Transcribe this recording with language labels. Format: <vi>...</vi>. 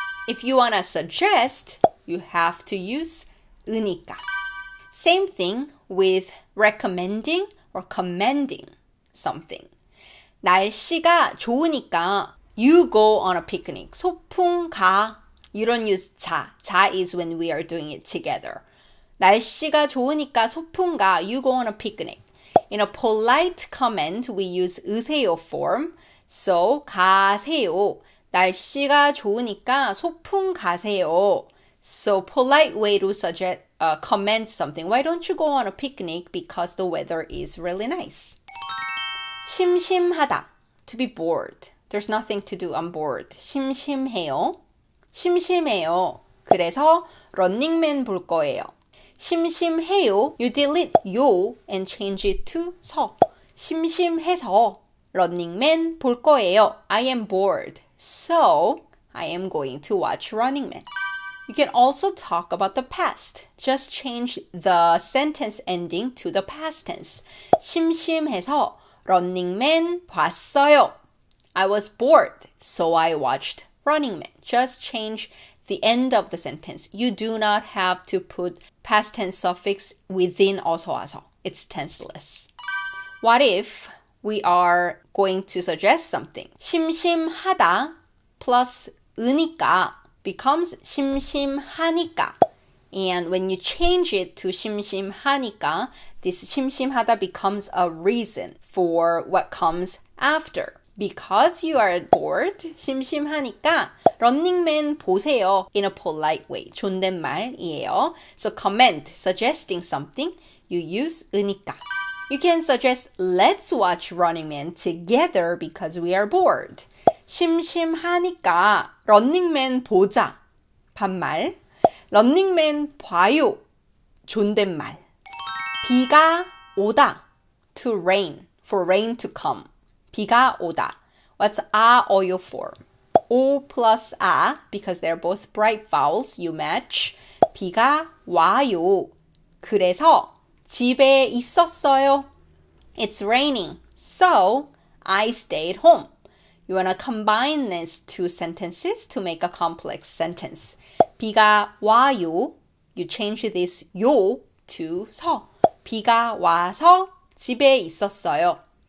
<en>If you want to suggest, you have to use 으니까. Same thing with recommending or commending something.</en> <ko>날씨가 좋으니까</ko> <en>you go on a picnic.</en> <ko>소풍 가.</ko> <en>You don't use 자. 자 is when we are doing it together.</en> <ko>날씨가 좋으니까 소풍 가.</ko> <en>You go on a picnic. In a polite comment, we use 으세요 form. So, 가세요.</en> <ko>날씨가 좋으니까 소풍 가세요.</ko> <en>So, polite way to suggest, comment something. Why don't you go on a picnic? Because the weather is really nice. 심심하다. To be bored. There's nothing to do. I'm bored.</en> <ko>심심해요. 심심해요. 그래서 런닝맨 볼 거예요. 심심해요.</ko> <en>You delete 요 and change it to 서.</en> <ko>심심해서 런닝맨 볼 거예요.</ko> <en>I am bored. So, I am going to watch Running Man. You can also talk about the past. Just change the sentence ending to the past tense.</en> <ko>심심해서 런닝맨 봤어요.</ko> <en>I was bored, so I watched Running Man. Just change the end of the sentence. You do not have to put past tense suffix within 어서와서. It's tenseless. What if we are going to suggest something? 심심하다 plus 으니까 becomes 심심하니까. And when you change it to 심심하니까, this 심심하다 becomes a reason for what comes after. Because you are bored,</en> <ko>심심하니까 런닝맨 보세요</ko> <en>in a polite way.</en> <ko>존댓말이에요.</ko> <en>So comment, suggesting something, you use 으니까. You can suggest, let's watch Running Man together because we are bored.</en> <ko>심심하니까 런닝맨 보자. 반말. 런닝맨 봐요. 존댓말. 비가 오다.</ko> <en>To rain. For rain to come. 비가 오다. What's 아 어요 for? O plus 아, because they're both bright vowels, you match.</en> <ko>비가 와요. 그래서 집에 있었어요.</ko> <en>It's raining, so I stayed home. You want to combine these two sentences to make a complex sentence.</en> <ko>비가 와요.</ko> <en>You change this 요 to 서.</en> <ko>비가 와서 집에 있었어요.</ko>